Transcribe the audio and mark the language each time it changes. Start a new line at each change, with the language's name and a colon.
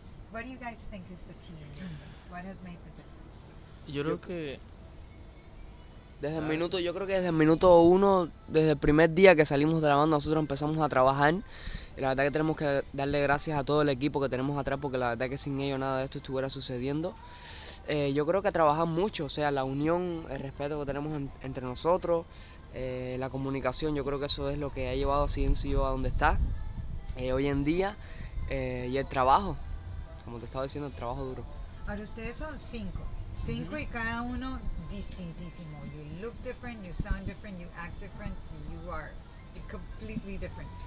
English: What do you guys think is the key in this? What has made the difference?
Spanish: Yo creo que desde el minuto uno, desde el primer día que salimos de la banda, nosotros empezamos a trabajar. Y la verdad que tenemos que darle gracias a todo el equipo que tenemos atrás, porque la verdad que sin ellos nada de esto estuviera sucediendo. Yo creo que trabajar mucho, o sea, la unión, el respeto que tenemos entre nosotros, la comunicación, yo creo que eso es lo que ha llevado a CNCO a donde está hoy en día, y el trabajo, como te estaba diciendo, el trabajo duro. Ahora ustedes son cinco y cada uno distintísimo.
English: You look different, you sound different, you act different, you are completely different.